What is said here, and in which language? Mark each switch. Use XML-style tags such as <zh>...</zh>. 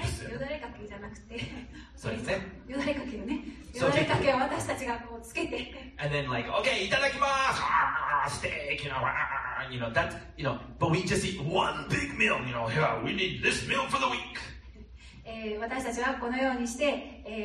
<ja>よだれかけじゃなくて、そうですね。よだれかけをね。よだれかけを私たちがこうつけて。</ja> <en>And then like, okay,</en> <ja>いただきます。</ja> <en>steak, you know, you know, that, you know, but we just eat one big meal, you know, yeah, we need this meal for the week.</en> <ja>私たちはこのようにして、</ja>